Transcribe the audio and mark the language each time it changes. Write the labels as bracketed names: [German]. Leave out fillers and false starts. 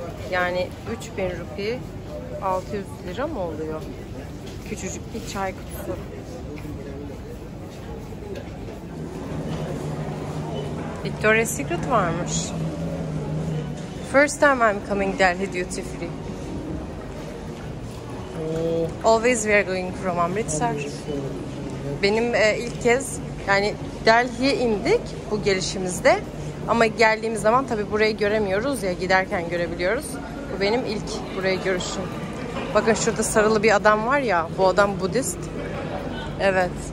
[Turkish] Yani 3000 rupi 600 lira mı oluyor? Küçücük bir çay kutusu. Victoria's Secret varmış. [English] First time I'm coming Delhi duty free. Always we are going from Amritsar. [Turkish] Benim ilk kez yani Delhi'ye indik bu gelişimizde. Ama geldiğimiz zaman tabii burayı göremiyoruz ya, giderken görebiliyoruz. Bu benim ilk buraya görüşüm. Bakın şurada sarılı bir adam var ya, bu adam Budist. Evet.